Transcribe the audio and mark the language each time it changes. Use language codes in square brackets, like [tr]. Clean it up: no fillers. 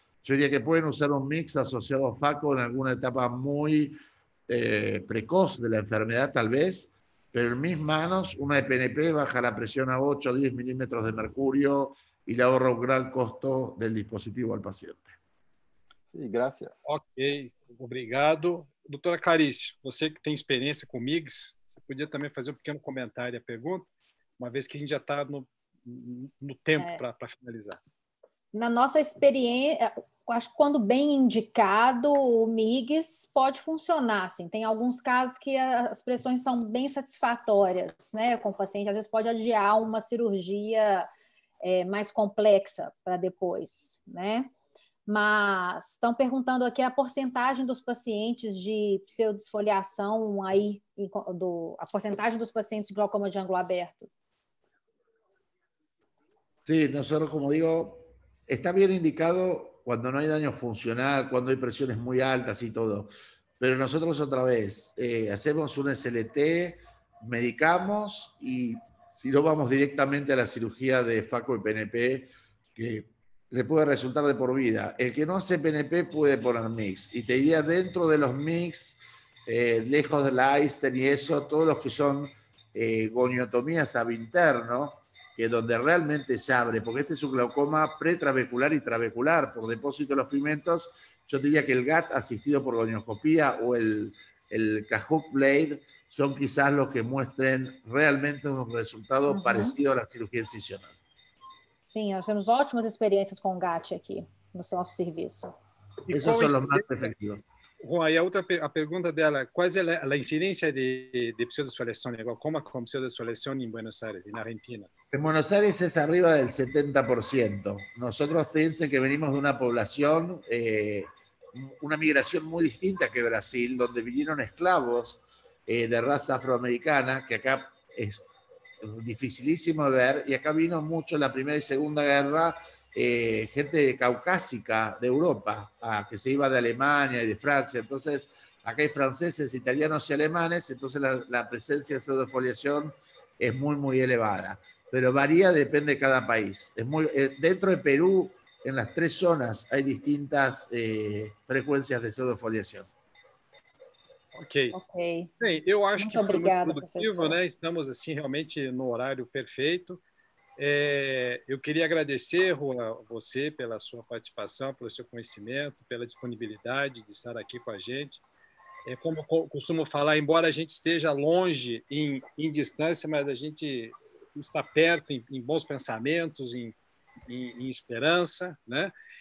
[es] Yo diría que pueden usar un MIGS asociado a FACO en alguna etapa muy precoz de la enfermedad, tal vez, pero en mis manos una EPNP baja la presión a 8 o 10 milímetros de mercurio y le ahorra un gran costo del dispositivo al paciente. Sí, gracias. [pt] Ok, obrigado. [es] Doctora Clarice, usted que tiene experiencia con MIGS, [pt] podia também fazer um pequeno comentário à pergunta, uma vez que a gente já está no tempo para finalizar. Na nossa experiência, acho que quando bem indicado, o MIGS pode funcionar. Assim, tem alguns casos que as pressões são bem satisfatórias, né, com o paciente. Às vezes pode adiar uma cirurgia mais complexa para depois, né? Mas estão perguntando aqui a porcentagem dos pacientes de pseudoesfoliação aí, a porcentagem dos pacientes de glaucoma de ângulo aberto. Sim, sí, nós, como digo, está bem indicado quando não há dano funcional, quando há pressões muito altas e tudo. [es] Pero nosotros otra vez, hacemos un SLT, medicamos y si no vamos directamente a la cirugía de FACO y PNP, que le puede resultar de por vida. El que no hace PNP puede poner MIGS. Y te diría dentro de los MIGS, lejos de la Eisten y eso, todos los que son goniotomías abinterno, que es donde realmente se abre, porque este es un glaucoma pretravecular y travecular, por depósito de los pigmentos, yo diría que el GAT asistido por gonioscopía o el Kahuk Blade son quizás los que muestren realmente un resultado parecido a la cirugía incisional. Sí, tenemos ótimas experiencias con GAT aquí, en nuestro servicio. Esos son los más efectivos. [pt] Bom, aí a outra a pergunta dela, quais é a incidência de pseudoesfoliação de glaucoma com pseudoesfoliação em Buenos Aires, na Argentina? Em Buenos Aires é acima do 70%. Nós pensamos que venimos de uma população, uma migração muito distinta que Brasil, onde vieram esclavos de raça afro-americana, que acá é dificilíssimo ver, e acá vino muito na Primeira e Segunda Guerra, gente caucásica de Europa, [es] que se iba de Alemania y de Francia. Entonces, acá hay franceses, italianos y alemanes, entonces la presencia de pseudoesfoliación es muy, muy elevada. Pero varía, depende de cada país. Dentro de Perú, en las tres zonas, hay distintas frecuencias de pseudoesfoliación. Ok. Bien, yo creo que fue muy productivo, ¿no? Estamos así realmente en un horario perfecto. [pt] Eu queria agradecer, Juan, você pela sua participação, pelo seu conhecimento, pela disponibilidade de estar aqui com a gente. Como costumo falar, embora a gente esteja longe em distância, mas a gente está perto em bons pensamentos, em esperança, né?